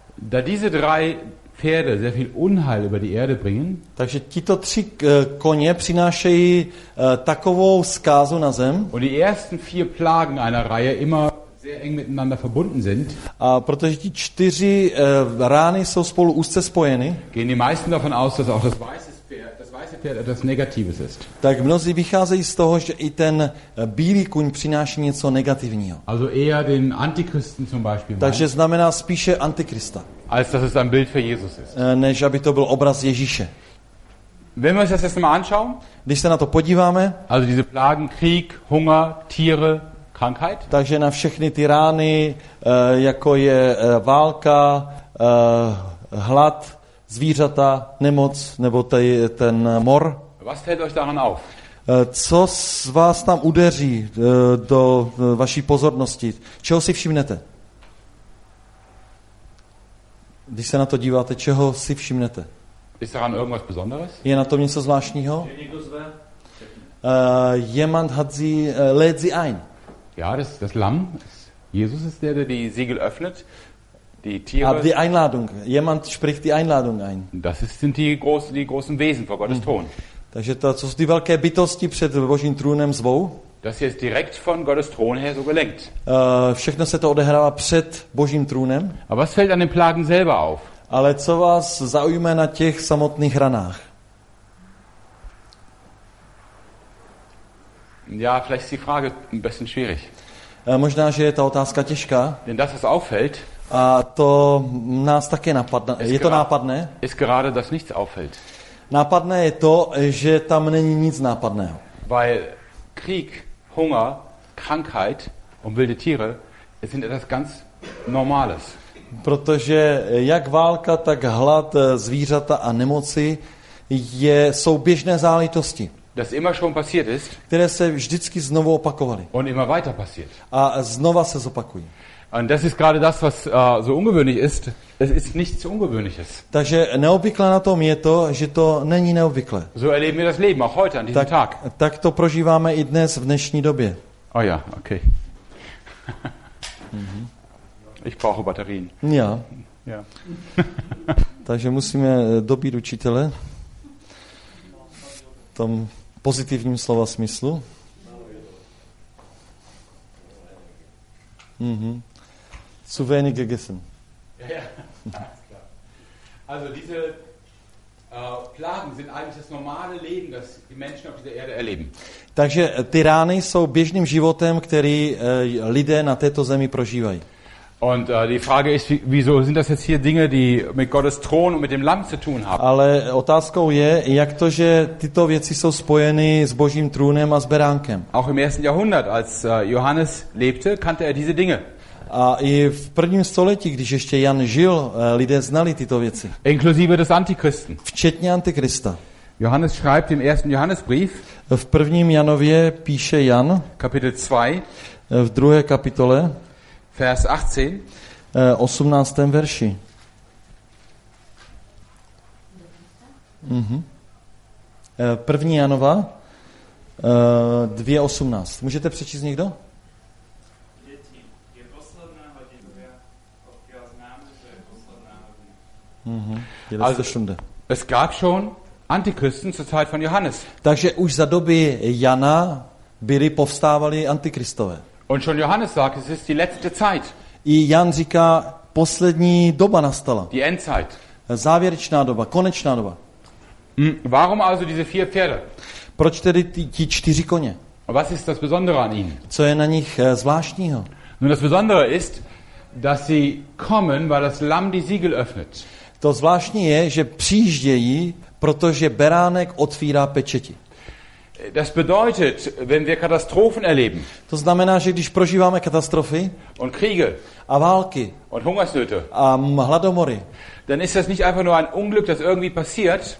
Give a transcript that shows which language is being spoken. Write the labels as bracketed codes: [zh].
[de] Da diese drei Pferde sehr viel Unheil über die Erde bringen. [cs] Takže tito tři koně přinášejí takovou zkázu na zem. [de] Und die ersten vier Plagen einer Reihe immer sehr eng miteinander verbunden sind. [cs] A protože ti čtyři rány jsou spolu úzce spojeny. [de] Gehen die meisten davon aus, dass auch das weiße Pferd etwas Negatives ist. [cs] Tak mnozí vycházejí z toho, že i ten bílý kuň přináší něco negativního. [de] Also eher den Antichristen zum Beispiel. [cs] Takže znamená spíše Antikrista. [de] Als dass es ein Bild für Jesus ist. [cs] Než aby to byl obraz Ježíše. [de] Wenn wir uns das jetzt mal anschauen. [cs] Když se na to podíváme. [de] Also diese Plagen, Krieg, Hunger, Tiere, Krankheit. [cs] Takže na všechny ty rány, jako je válka, hlad, zvířata, nemoc, nebo ten mor. [de] Was fällt euch daran auf? [cs] Co z vás tam udeří do vaší pozornosti? Čeho si všimnete? Když se na to díváte, čeho si všimnete? [de] Ist daran irgendwas Besonderes? [cs] Je na tom něco zvláštního? [de] Jemand hat sie, lädt sie ein. Ja, das Lamm. Jesus ist der die Siegel öffnet. Die Tiere. Aber die Einladung. Jemand spricht die Einladung ein. Das sind die großen Wesen vor Gottes Thron. [cs] Takže to jsou ty velké bytosti před Božím trůnem zvou. [de] Das hier ist direkt von Gottes Thron her so gelenkt. [cs] Všechno se to odehrává před Božím trůnem. [de] Aber was fällt an den Plagen selber auf? [cs] Ale co vás zaujme na těch samotných ranách? [de] Ja, vielleicht ist die Frage ein bisschen schwierig. [cs] Možná, že je ta otázka těžká. [de] Denn das, was auffällt. [cs] A to nás také napadne. Je to nápadné? [de] Ist gerade, dass nichts auffällt. [cs] Nápadné je to, že tam není nic nápadného. [de] Weil Krieg, Hunger, Krankheit und wilde Tiere sind etwas ganz Normales. [cs] Protože jak válka, tak hlad, zvířata a nemoci jsou běžné záležitosti. [de] Das immer schon passiert ist. [cs] Které se vždycky znovu opakovaly. [de] Und immer weiter passiert. [cs] A znova se zopakují. [de] Und das ist gerade das, was so ungewöhnlich ist. Es ist nichts Ungewöhnliches. [cs] Takže neobvyklé na tom je to, že to není neobvyklé. [de] So erleben wir das Leben auch heute an diesem Tag. [cs] Tak to prožíváme i dnes v dnešní době. [de] Oh ja, okay. Ich brauche Batterien. Ja. Ja. [cs] Takže musíme dobít učitele. V tom pozitivním slova smyslu. [de] Zu wenig gegessen. Also diese Plagen sind eigentlich das normale Leben, das die Menschen auf dieser Erde erleben. [cs] Takže ty rány jsou běžným životem, který lidé na této zemi prožívají. [de] Und die Frage ist, wieso sind das jetzt hier Dinge, die mit Gottes Thron und mit dem Lamm zu tun haben? [cs] Ale otázkou je, jak to, že tyto věci jsou spojeny s Božím trůnem a s beránkem. [de] Auch im ersten Jahrhundert, als Johannes lebte, kannte er diese Dinge. [cs] A i v prvním století, když ještě Jan žil, lidé znali tyto věci. [de] Inklusive des Antichristen. [cs] Včetně Antikrista. [de] Johannes schreibt im ersten Johannesbrief. [cs] V prvním Janově píše Jan. [de] Kapitel 2. [cs] V druhé kapitole. [de] Vers 18. [cs] 18. verši. První Janova 2:18. Můžete přečíst někdo? Děti, je posledná hodina, odkud známe, že je posledná hodina. Je to všude. [de] Es gab schon Antichristen zur Zeit von Johannes. [cs] Takže už za doby Jana byli povstávali antikristové. [de] Und schon Johannes sagt, es ist die letzte Zeit. [cs] I Jan říká, poslední doba nastala. [de] Die Endzeit. [cs] Závěrečná doba, konečná doba. [de] Warum also diese vier Pferde? [cs] Proč tedy ti čtyři koně? [de] Was ist das Besondere an ihnen? [cs] Co je na nich zvláštního? [de] Nun, das Besondere ist, dass sie kommen, weil das Lamm die Siegel öffnet. [cs] To zvláštní je, že přijíždějí, protože beránek otvírá pečeti. [de] Das bedeutet, wenn wir Katastrophen erleben. [cs] To znamená, že když prožíváme katastrofy [de] und Kriege [cs] a války [de] und Hungersnöte [cs] a hladomory, [de] dann ist das nicht einfach nur ein Unglück, das irgendwie passiert.